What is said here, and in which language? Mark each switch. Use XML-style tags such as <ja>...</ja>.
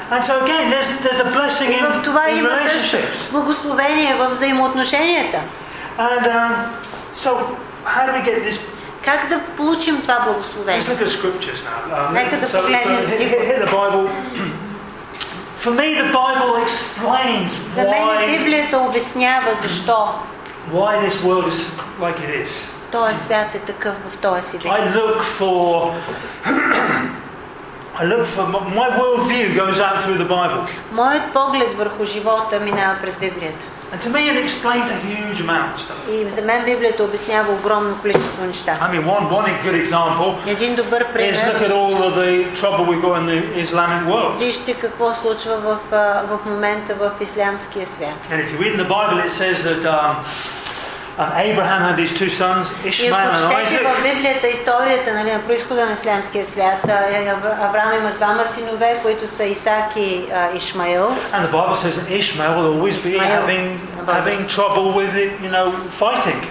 <en>And so again, there's a blessing in relationships.</en> <bg>Благословение във взаимоотношенията.</bg> <en>And so how do we get this?</en> <bg>Как да получим това благословение?</bg> <en>Let's look at scriptures now.</en> <bg>Нека да погледнем стихове.</bg> <en>For me, the Bible explains why.</en> <bg>За мен Библията обяснява защо.</bg> <en>Why this world is like it is.</en> <bg>Този свят е такъв в този си вид.</bg> <en>I look for my world view goes out through the Bible.</en> <bg>Моят поглед върху живота минава през Библията.</bg> <en>And to me, it explains a huge amount of stuff.</en> <bg>И за мен Библията обяснява огромно количество неща.</bg> <en>I mean, one good example.</en> <bg>Един добър пример.</bg> <en>Is look at all of the trouble we've got in the Islamic world.</en> <bg>Вижте какво случва в момента в ислямския свят.</bg> <en>And if you read in the Bible, it says that Abraham had these two sons, Ishmael and Isaac.</en> <bg>И прочетете в Библията историята, нали, на произхода на ислямския свят. Авраам има двама синове, които са Исак и Ишмаел.</bg> <en>And the Bible says that Ishmael will always be having trouble with it, you know, fighting.</en>